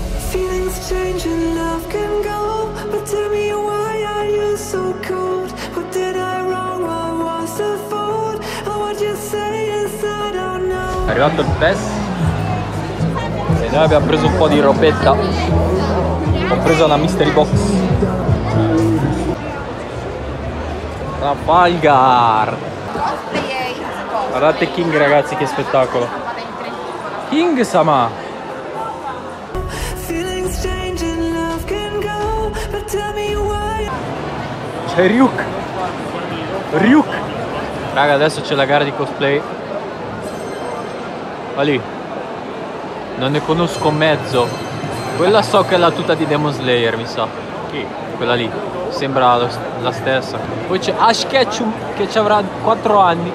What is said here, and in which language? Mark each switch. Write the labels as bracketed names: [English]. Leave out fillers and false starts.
[English] Feelings change and love can go, but tell me why are you so cold? What did I wrong? What was the fault? And what you say is I don't know. [Italian] È arrivato il PES. E noi abbiamo preso un po' di robetta. Ho preso la mystery box. La Valgar. Guardate King, ragazzi, che spettacolo. King Sama. [English] Feelings change and love can go, but tell me why. [Italian] C'è Ryuk. Ryuk. Raga, adesso c'è la gara di cosplay. Va lì. Non ne conosco mezzo. Quella so che è la tuta di Demon Slayer, mi sa. Chi? Quella lì. Sembra la stessa. Poi c'è Ash Ketchum, che ci avrà 4 anni.